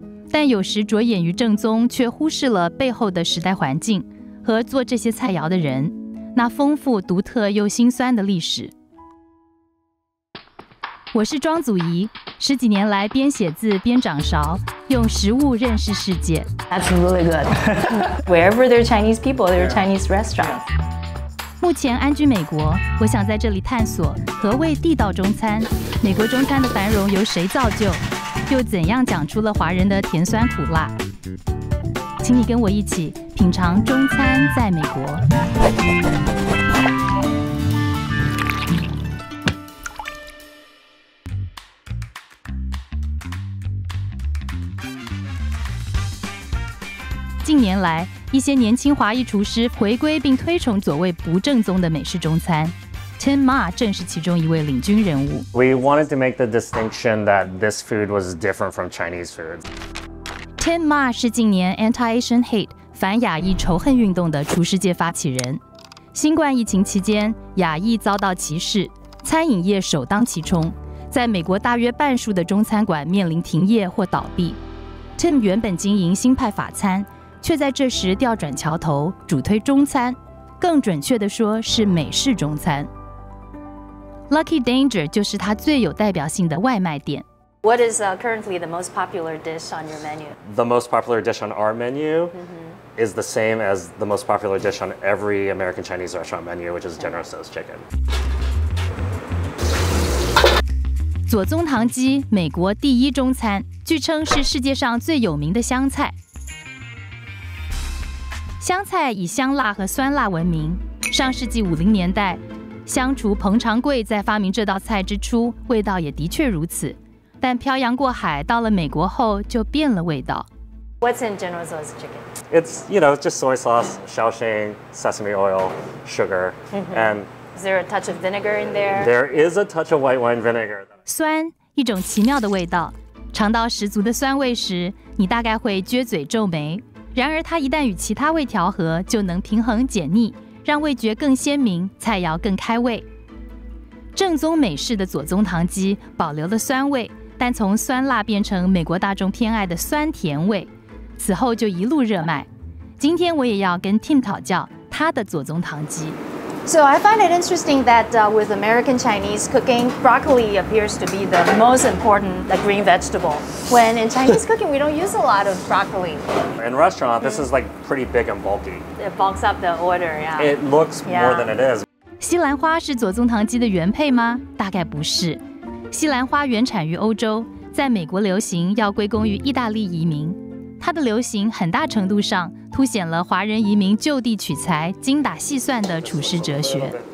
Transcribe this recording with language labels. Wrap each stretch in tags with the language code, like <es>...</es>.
<zh>但有时着眼于正宗，却忽视了背后的时代环境和做这些菜肴的人那丰富独特又辛酸的历史。我是庄祖仪，十几年来边写字边掌勺，用食物认识世界。</zh> <en>That's really good. Wherever there are Chinese people, there are Chinese restaurants.</en> <zh>目前安居美国，我想在这里探索何谓地道中餐，美国中餐的繁荣由谁造就，又怎样讲出了华人的甜酸苦辣。请你跟我一起品尝中餐在美国。近年来，一些年轻华裔厨师回归并推崇所谓不正宗的美式中餐。 Tim 正是其中一位领军人物。</zh> <en>We wanted to make the distinction that this food was different from Chinese food.</en> <zh>Tim 是近年</zh> <en>Anti-Asian Hate</en> <zh>反亚裔仇恨运动的厨师界发起人。新冠疫情期间，亚裔遭到歧视，餐饮业首当其冲，在美国大约半数的中餐馆面临停业或倒闭。 Tim 原本经营新派法餐，却在这时调转桥头，主推中餐，更准确地说是美式中餐。 Lucky Danger 就是它最有代表性的外卖店。</zh> <en>What is currently the most popular dish on your menu? The most popular dish on our menu、mm-hmm. is the same as the most popular dish on every American Chinese restaurant menu, which is General Tso's chicken.</en> <zh>左宗棠鸡，美国第一中餐，据称是世界上最有名的湘菜。湘菜以香辣和酸辣闻名，上世纪50年代湘厨彭长贵在发明这道菜之初，味道也的确如此，但漂洋过海到了美国后就变了味道。</zh> <en>What's in General Tso's chicken? It's, you know, just soy sauce, Shaoxing, sesame oil, sugar, and... Is there a touch of vinegar in there? There is a touch of white wine vinegar.</en> <zh>酸，一种奇妙的味道，尝到十足的酸味时，你大概会撅嘴皱眉，然而它一旦与其他味调和，就能平衡解腻，让味觉更鲜明，菜肴更开胃。正宗美式的左宗棠鸡保留了酸味，但从酸辣变成美国大众偏爱的酸甜味，此后就一路热卖。今天我也要跟 Tim 讨教他的左宗棠鸡。</zh> <en>So I find it interesting that with American Chinese cooking, broccoli appears to be the most important green vegetable. When in Chinese cooking, we don't use a lot of broccoli. In restaurant, this is like pretty big and bulky. It bulks up the order, yeah. It looks more than it is.</en> <zh>西兰花是左宗棠鸡的原配吗？大概不是。西兰花原产于欧洲，在美国流行要归功于意大利移民。它的流行很大程度上凸显了华人移民就地取材、精打细算的厨师哲学。</zh>